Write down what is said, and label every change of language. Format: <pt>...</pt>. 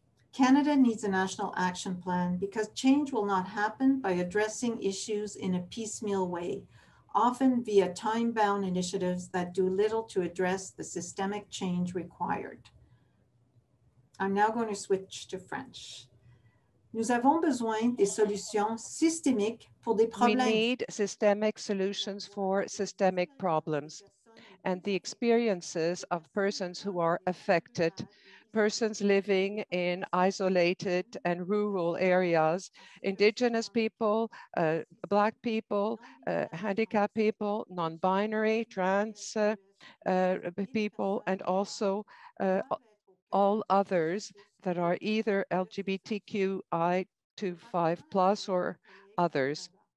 <en>Canada needs a national action plan because change will not happen by addressing issues in a piecemeal way, often via time-bound initiatives that do little to address the systemic change required. I'm now going to switch to French.</en> <fr>Nous avons besoin des solutions systémiques pour des problèmes.</fr> <en>We need systemic solutions for systemic problems and the experiences of persons who are affected, persons living in isolated and rural areas, Indigenous people, Black people, handicapped people, non-binary, trans people, and also all others that are either LGBTQI25 plus or others.</en>